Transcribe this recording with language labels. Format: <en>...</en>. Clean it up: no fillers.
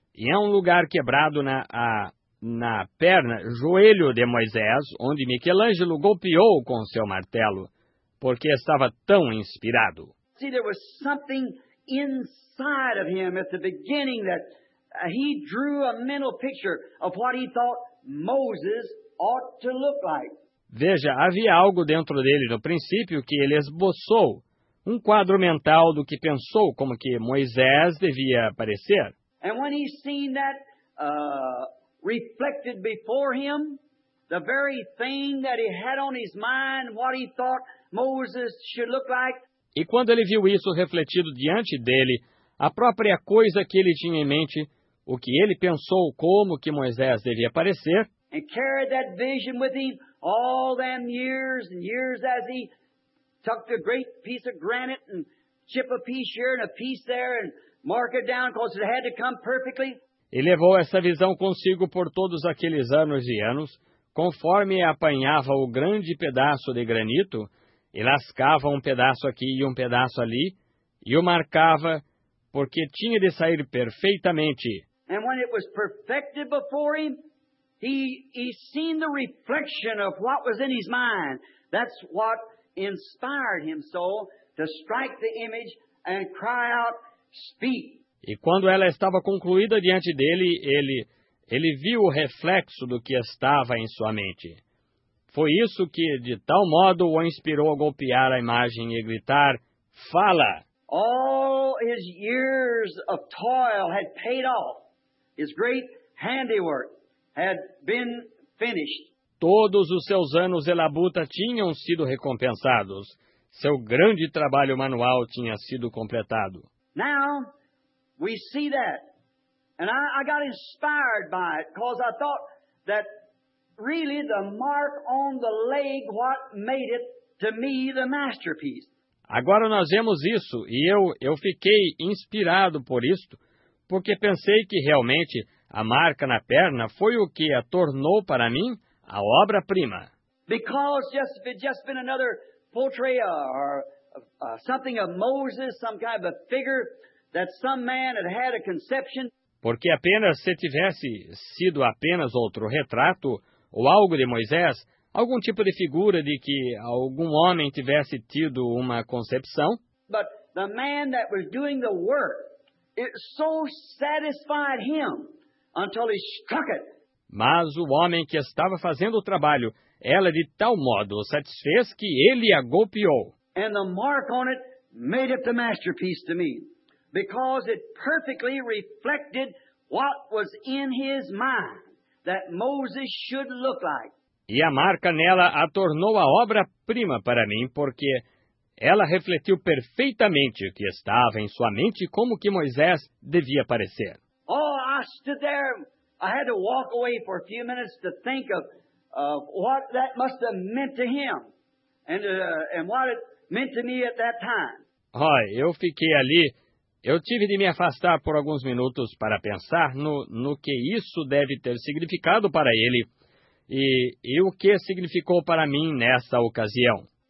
<pt>E é um lugar quebrado na perna, joelho de Moisés, onde Michelangelo golpeou com seu martelo, porque estava tão inspirado.</pt> <en>See, there was something inside of him at the beginning that he drew a mental picture of what he thought Moses ought to look like.</en> <pt>Veja, havia algo dentro dele no princípio que ele esboçou, um quadro mental do que pensou como que Moisés devia aparecer.</pt> <en>And when he seen that reflected before him, the very thing that he had on his mind, what he thought Moses should look like.</en> <pt>E quando ele viu isso refletido diante dele, a própria coisa que ele tinha em mente, o que ele pensou como que Moisés devia parecer.</pt> <en>And carried that vision with him all them years and years as he tucked a great piece of granite and chip a piece here and a piece there and mark it down because it had to come perfectly.</en> <pt>E levou essa visão consigo por todos aqueles anos e anos, conforme apanhava o grande pedaço de granito, e lascava um pedaço aqui e um pedaço ali, e o marcava, porque tinha de sair perfeitamente.</pt> <en>And when it was perfected before him, he seen the reflection of what was in his mind. That's what inspired him so to strike the image and cry out, speak.</en> <pt>E quando ela estava concluída diante dele, ele viu o reflexo do que estava em sua mente. Foi isso que, de tal modo, o inspirou a golpear a imagem e gritar, fala!</pt> <en>All his years of toil had paid off. His great handiwork had been finished.</en> <pt>Todos os seus anos de labuta tinham sido recompensados. Seu grande trabalho manual tinha sido completado.</pt> <en>Now, we see that. And I got inspired by it, because I thought that really the mark on the leg what made it to me the masterpiece.</en> <pt>Agora nós vemos isso, e eu fiquei inspirado por isto, porque pensei que realmente a marca na perna foi o que a tornou para mim a obra-prima.</pt> <en>Because just, if it just been another portrait or something of Moses, some kind of a figure that some man had had a conception.</en> <pt>Porque apenas se tivesse sido apenas outro retrato ou algo de Moisés, algum tipo de figura de que algum homem tivesse tido uma concepção.</pt> <en>But the man that was doing the work, it so satisfied him until he struck it.</en> <pt>Mas o homem que estava fazendo o trabalho, ela de tal modo satisfez que ele a golpeou.</pt> <en>And the mark on it made it the masterpiece to me. Because it perfectly reflected what was in his mind that Moses should look like.</en> <pt>E a marca nela a tornou a obra-prima para mim, porque ela refletiu perfeitamente o que estava em sua mente como que Moisés devia parecer.</pt> <en>Oh, I stood there. I had to walk away for a few minutes to think of what that must have meant to him and what it meant to me at that time.</en> <pt>Oh, eu fiquei ali. Eu tive de me afastar por alguns minutos para pensar no que isso deve ter significado para ele e o que significou para mim nessa ocasião.</pt>